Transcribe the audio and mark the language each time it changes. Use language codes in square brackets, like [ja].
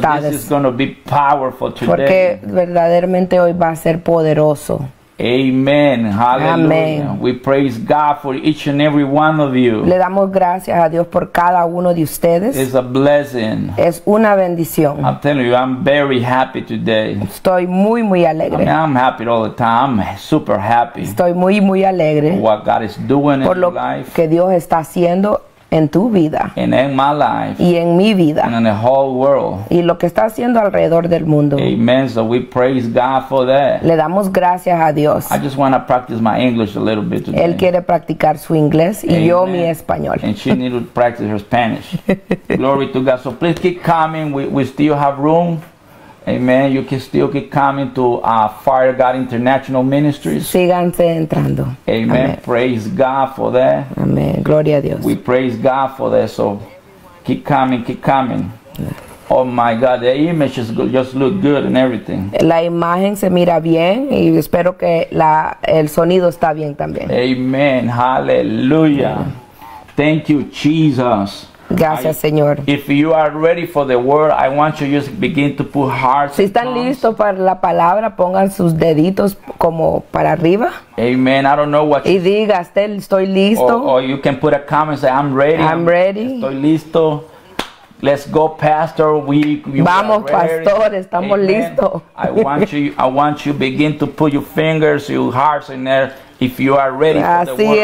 [en] Because this is going to be powerful today. [es] Porque verdaderamente hoy va a ser poderoso. [en] Amen. Hallelujah. Amen. We praise God for each and every one of you. [es] Le damos gracias a Dios por cada uno de ustedes. [en] It's a blessing. [es] Es una bendición. [en] I'm telling you, I'm very happy today. [es] Estoy muy, muy alegre. [en] I mean, I'm happy all the time. I'm super happy. [es] Estoy muy, muy alegre. [en] What God is doing [es] por [en] in your life. [es] Por lo que Dios está haciendo en tu vida. [en] And in my life. [es] Y en mi vida. [en] And in the whole world. [es] Y lo que está haciendo alrededor del mundo. [en] Amen. So we praise God for that. [es] Le damos gracias a Dios. [en] I just want to practice my English a little bit today. [es] Él quiere practicar su inglés y Amen. Yo mi español. [en] And she needs to practice her Spanish. Glory to God. So please keep coming. We still have room. Amen. You can still keep coming to Fire God International Ministries. [es] Síganse entrando. [en] Amen. Amen. Praise God for that. [es] Amen. Gloria a Dios. [en] We praise God for that. So keep coming. Oh my God, the images just look good and everything. [es] La imagen se mira bien y espero que la el sonido está bien también. [en] Amen. Hallelujah. Thank you, Jesus. [es] Gracias, Señor. [en] If you are ready for the word, I want you to just begin to put hearts. [es] Si están listos para la palabra, pongan sus deditos como para arriba. [en] Amen. I don't know what. [es] Y diga, estoy listo. [en] Or you can put a comment and say, I'm ready. I'm ready. [es] Estoy listo. [en] Let's go, Pastor. [es] Vamos, Pastor. Estamos listos. [en] I want you begin to put your fingers, your hearts in there. If you are ready for the word.